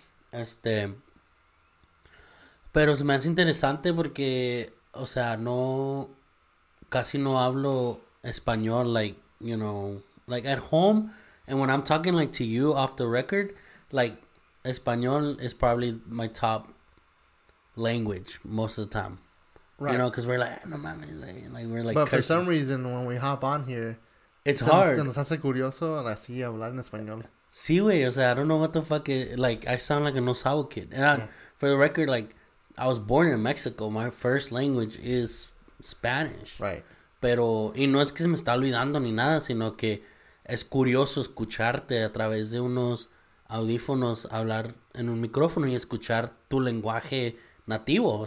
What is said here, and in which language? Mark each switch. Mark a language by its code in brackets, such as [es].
[es] Este. Pero se me hace interesante porque, o sea, no, casi no hablo español, [en] like, you know, Like, at home, and when I'm talking, like, to you off the record, like, Espanol is probably my top language most of the time. Right. You know, because we're like, [es] no mames, [en] like, we're like, but cursing. For some reason, when we hop on here, it's hard. [es] Se nos hace curioso así hablar en español. Sí, güey, o sea, [en] I don't know what the fuck it, like, I sound like a no sabo kid. And for the record, like, I was born in Mexico. My first language is Spanish. Right. [es] Pero, y no es que se me está olvidando ni nada, sino que es curioso escucharte a través de unos audífonos hablar en un micrófono y escuchar tu lenguaje nativo.